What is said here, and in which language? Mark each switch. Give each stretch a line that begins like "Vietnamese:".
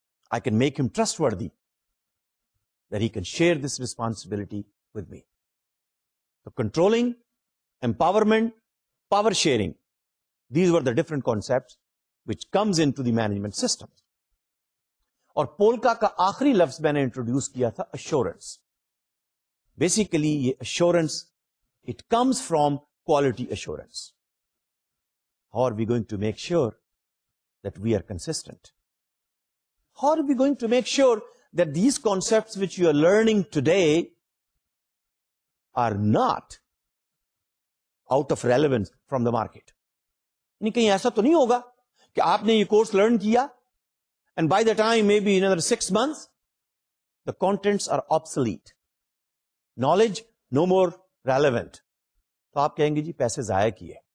English: I can make him trustworthy that he can share this responsibility with me. So controlling, empowerment, power sharing, these were the different concepts which comes into the management system.
Urdu: اور polka کا آخری لفظ میں نے introduce کیا تھا assurance.
English: Basically یہ assurance, it comes from quality assurance. How are we going to make sure that we are consistent? How are we going to make sure that these concepts which you are learning today are not out of relevance from the market?
Urdu: یعنی کہیں ایسا تو نہیں ہوگا کہ آپ نے یہ کورس لرن کیا
English: and by the time may be اندر six months the contents are obsolete, knowledge no more relevant,
Urdu: تو آپ کہیں گے جی پیسے ضائع کیے.